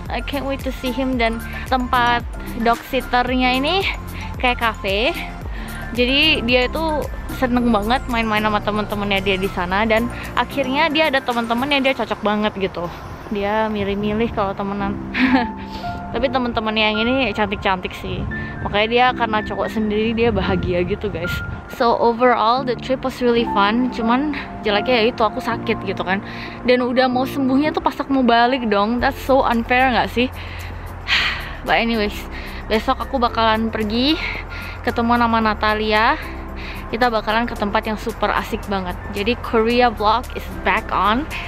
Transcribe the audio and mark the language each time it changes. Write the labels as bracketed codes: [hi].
[en] I can't wait to see him. [id] Dan tempat dog sitternya ini kayak cafe, jadi dia itu seneng banget main-main sama teman-temannya dia di sana. Dan akhirnya dia ada teman-teman yang dia cocok banget gitu. Dia milih-milih kalau temenan. Tapi teman-temannya yang ini cantik-cantik sih. Makanya dia karena cowok sendiri dia bahagia gitu guys. [en] So overall the trip was really fun. [id] Cuman jeleknya ya itu aku sakit gitu kan. Dan udah mau sembuhnya tuh pas aku mau balik dong. [en] That's so unfair [id] gak sih? [en] But anyways, [id] besok aku bakalan pergi ketemu sama Natalia. Kita bakalan ke tempat yang super asik banget. Jadi [en] Korea vlog is back on.